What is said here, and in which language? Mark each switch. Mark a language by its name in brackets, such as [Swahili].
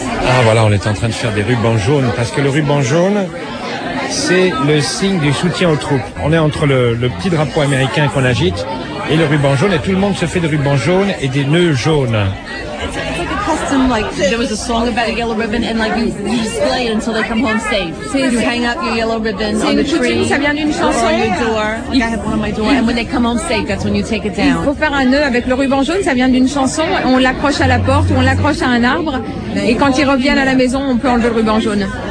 [French] Ah, voilà, on est en train de faire des rubans jaunes, parce que le ruban jaune, c'est le signe du soutien aux troupes. On est entre le petit drapeau américain qu'on agite et le ruban jaune, et tout le monde se fait des rubans jaunes et des nœuds jaunes. [English] Custom, like there was a song about a yellow ribbon, and like you display it until they come home safe. You hang up your yellow ribbon on the tree or on your door. Like I have one on my door, and when they come home safe, that's when you take it down. [French] Il faut faire un nœud avec le ruban jaune. Ça vient d'une chanson. On l'accroche à la porte ou on l'accroche à un arbre, et quand ils reviennent à la maison, on peut enlever le ruban jaune.